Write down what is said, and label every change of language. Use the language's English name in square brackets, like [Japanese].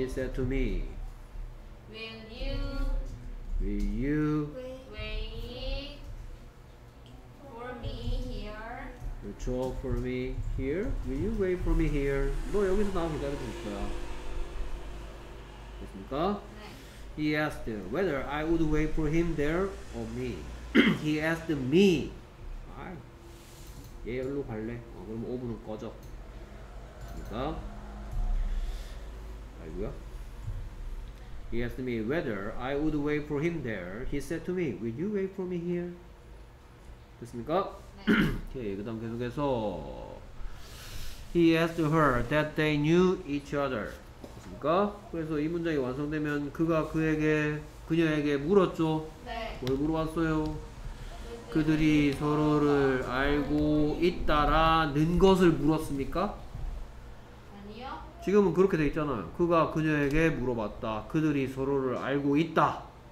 [English] He said to me. Will you wait for me here? [Korean] 그렇죠. [English] For me here. Will you wait for me here? [Korean] 너 여기서 나와 기다려 줄 거야. 됐습니까? [English] He asked whether I would wait for him there or me. He asked me. [Korean] 아이, 얘 여기로 갈래? 그럼 오븐은 꺼져. 됐습니까? 아이고야. [English] He asked me whether I would wait for him there. He said to me, will you wait for me here? [Korean] 됐습니까? 네. 오케이, 그 다음 계속해서. [English] He asked her that they knew each other. [Korean] 그래서 이 문장이 완성되면 그가 그녀에게 물었죠. 네. 뭘 물어봤어요? 그들이 서로를 알고 있다라는 것을 물었습니까? 아니요. 지금은 그렇게 돼 있잖아요. 그가 그녀에게 물어봤다. 그들이 서로를 알고 있다.